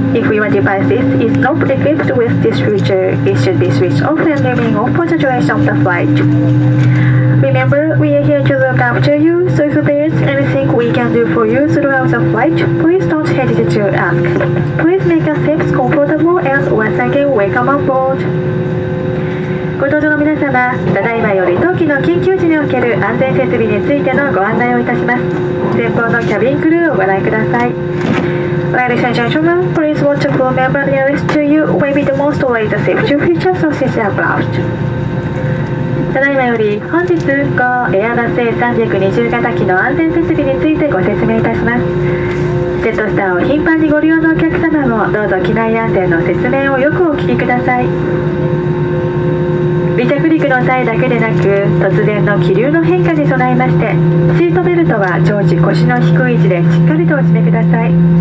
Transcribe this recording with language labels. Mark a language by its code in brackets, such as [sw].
[en] If your device is not equipped with this feature, it should be switched off and remaining off for the duration of the flight. Remember, we are here to look after you, so if there's anything we can do for you throughout the flight, please don't hesitate to ask. Please make your seats comfortable and once again, welcome aboard. [ja] ご搭乗の皆様、ただいまより当機の緊急時における安全設備についてのご案内をいたします。前方のキャビンクルーをご覧ください。 [en] Ladies and gentlemen, please watch the crew member nearest to you may be the most likely the safety features of this aircraft. [ja] ただいまより本日、GO エアバス A320 型機の安全設備についてご説明いたします。ジェットスターを頻繁にご利用のお客様もどうぞ機内安全の説明をよくお聞きください。離着陸の際だけでなく、突然の気流の変化に備えまして、シートベルトは常時腰の低い位置でしっかりとお締めください。